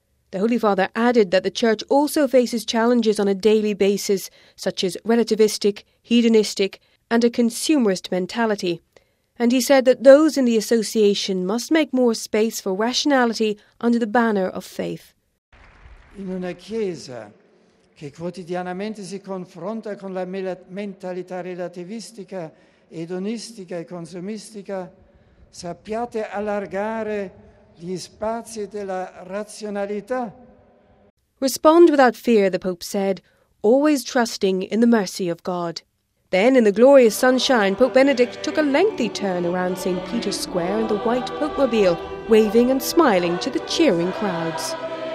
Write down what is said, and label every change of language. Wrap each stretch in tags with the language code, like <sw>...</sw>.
<en>The Holy Father added that the Church also faces challenges on a daily basis, such as relativistic, hedonistic, and a consumerist mentality. And he said that those in the association must make more space for rationality under the banner of faith.</en> <it>In una chiesa che quotidianamente si confronta con la mentalità relativistica, edonistica e consumistica, sappiate allargare gli spazi della razionalità.</it> <en>Respond without fear, the Pope said, always trusting in the mercy of God. Then, in the glorious sunshine, Pope Benedict took a lengthy turn around St. Peter's Square in the white Popemobile, waving and smiling to the cheering crowds.</en>